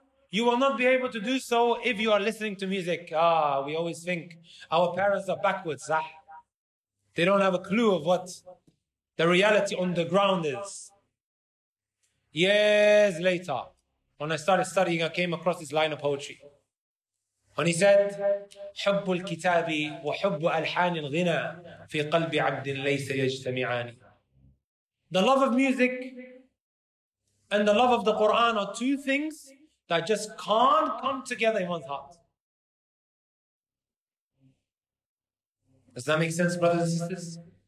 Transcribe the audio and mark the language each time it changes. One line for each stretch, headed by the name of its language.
English: You will not be able to do so if you are listening to music." Ah, we always think our parents are backwards. Ah. They don't have a clue of what the reality on the ground is. Years later, when I started studying, I came across this line of poetry. When he said,
Arabic: حُبُّ الْكِتَابِ وَحُبُّ أَلْحَانِ الْغِنَى فِي قَلْبِ عَبْدٍ لَيْسَ يَجْتَمِعَانِ.
English: The love of music and the love of the Quran are two things that just can't come together in one's heart. Does that make sense, brothers and sisters?